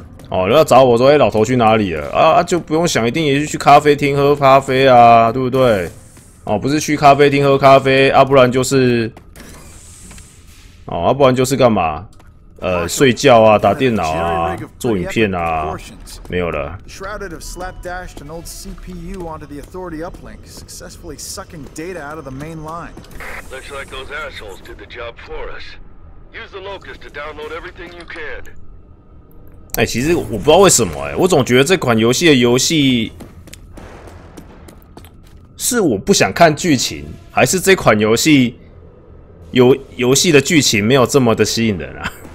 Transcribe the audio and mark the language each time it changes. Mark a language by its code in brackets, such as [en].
[zh] 哦，你要找我说，哎、欸，老头去哪里了？啊，就不用想，一定也是去咖啡厅喝咖啡啊，对不对？哦，不是去咖啡厅喝咖啡，啊，不然就是，哦，啊，不然就是干嘛？睡觉啊，打电脑啊，做影片啊，没有了。 [en] Shrouded have slapdashed an old CPU onto the Authority uplink, successfully sucking data out of the main line. Looks like those assholes did the job for us. Use the locust to download everything you can. [zh] 哎、欸，其实我不知道为什么、欸，哎，我总觉得这款游戏的游戏是我不想看剧情，还是这款游戏游戏的剧情没有这么的吸引人啊？